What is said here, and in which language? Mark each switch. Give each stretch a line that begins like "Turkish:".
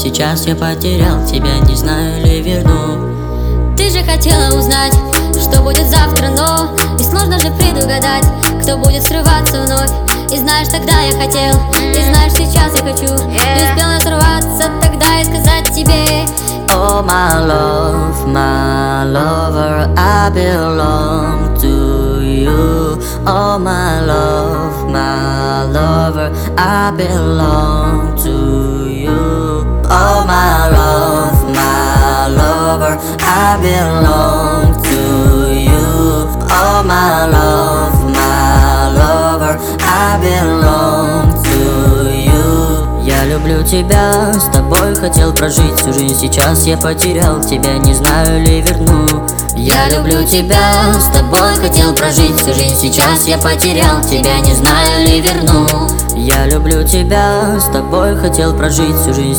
Russian: Сейчас я потерял тебя, не знаю ли верну. Ты же хотела узнать, что будет завтра, но и сложно же предугадать, кто будет срываться вновь. И знаешь, тогда я хотел, и знаешь, сейчас я хочу. Не успела сорваться тогда и сказать тебе:
English: oh my love, my lover, I belong to you. Oh my love, my lover, I belong to you. Oh my love, my lover, I belong to you. Oh my love, my lover, I belong to you.
Russian: Я люблю тебя, с тобой хотел прожить всю жизнь. Сейчас я потерял тебя, не знаю ли верну. Я люблю тебя, с тобой хотел прожить всю жизнь. Сейчас я потерял тебя, не знаю ли верну. Я люблю тебя, с тобой хотел прожить всю жизнь.